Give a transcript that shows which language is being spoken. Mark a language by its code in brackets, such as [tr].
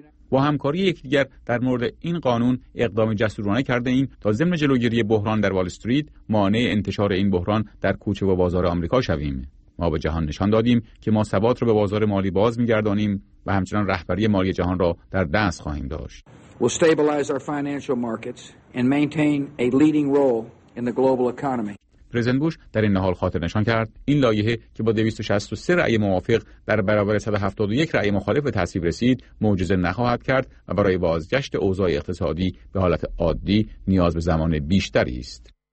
[fa] با همکاری یکدیگر در مورد این قانون اقدام جسورانه کرده ایم تا ضمن جلوگیری بحران در وال استریت مانع انتشار این بحران در کوچه و بازار آمریکا شویم. ما به جهان نشان دادیم که ما ثبات را به بازار مالی باز می‌گردانیم و همچنان رهبری مالی جهان را در دست خواهیم داشت. [en] We'll stabilize our financial markets and maintain a leading role in the global economy. [fa] پرزیدنت بوش در این حال خاطر نشان کرد این لایحه که با 263 رأی موافق در برابر 171 رأی مخالف به تصویب رسید معجزه نخواهد کرد و برای بازگشت اوضاع اقتصادی به حالت عادی نیاز به زمان بیشتری است.